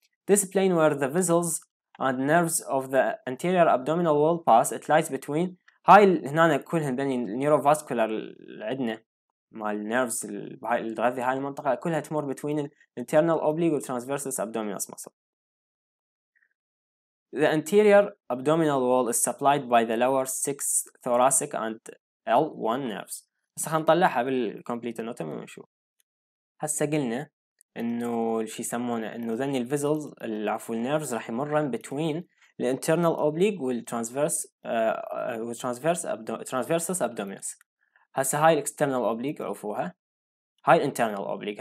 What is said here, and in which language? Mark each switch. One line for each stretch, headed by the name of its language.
English: This plane where the vessels and nerves of the anterior abdominal wall pass it lies between
Arabic: هاي هنا كلهن بين النيروفاسكولار عندنا مال النيرفز بهاي الغذي هاي المنطقه كلها تمر بين الانترنال اوبليك والترانسفيرسس ابدومينال مسل.
English: The anterior abdominal wall is supplied by the lower six thoracic and L1 nerves.
Arabic: هسه هنطلعها بالكمبليت anatomy ونشوف. هسه قلنا انه الشي يسمونه انه ذني الفيزلز العفو النيرفز راح يمرن
English: between the internal oblique
Arabic: والترانسفيرسس ابدومينس. هسه هاي الاكسترنال اوبليك عفوها هاي الانترنال اوبليك.